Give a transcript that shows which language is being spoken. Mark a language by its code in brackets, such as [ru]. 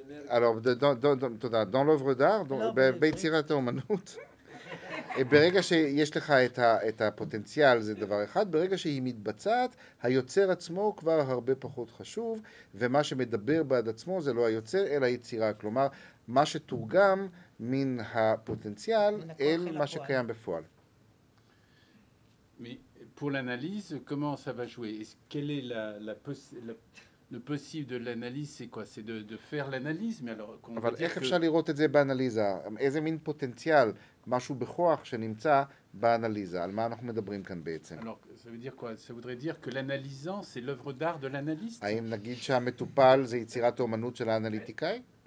[fr] Alors, dans l'œuvre d'art, [he] ביצירת האומנות, ברגע שיש לך את הפוטנציאל, זה דבר אחד, ברגע שהיא מתבצעת, היוצר עצמו כבר הרבה פחות חשוב, ומה שמדבר בעד עצמו זה לא היוצר, אלא יצירה. כלומר, מה שתורגם מן הפוטנציאל אל מה שקיים בפועל. [fr] Pour l'analyse, comment ça va jouer? Quelle est le possible de l'analyse? C'est quoi? C'est de faire l'analyse. Mais alors, qu'on veut dire que... [he] אפשר לראות את זה באנליזה. איזה מין פוטנציאל, משהו בכוח שנמצא באנליזה. על מה אנחנו מדברים כאן בעצם? [fr] Alors, ça veut dire quoi? Ça voudrait dire que l'analysant, c'est l'œuvre d'art de l'analyste? [he] האם נגיד שהמטופל זה יצירת האומנות של האנליטיקאי?